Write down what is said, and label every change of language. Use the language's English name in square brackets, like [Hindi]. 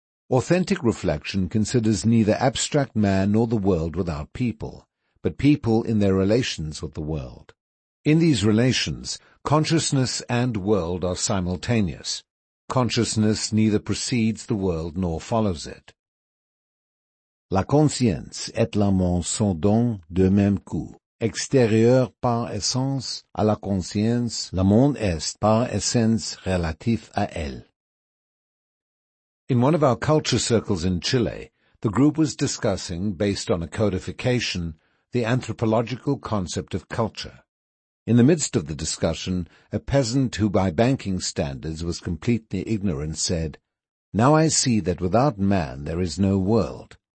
[English] Authentic reflection considers neither abstract man nor the world without people, but people in their relations with the world. In these relations, consciousness and world are simultaneous. Consciousness neither precedes the world nor follows it. [French] La conscience et l'amour sont donc de même coup. Extérieur par essence à la conscience, le monde est par essence relatif à elle. [English] In one of our culture circles in Chile, the group was discussing, based on a codification, the anthropological concept of culture. In the midst of the discussion, a peasant who by banking standards was completely ignorant said, "Now I see that without man there is no world."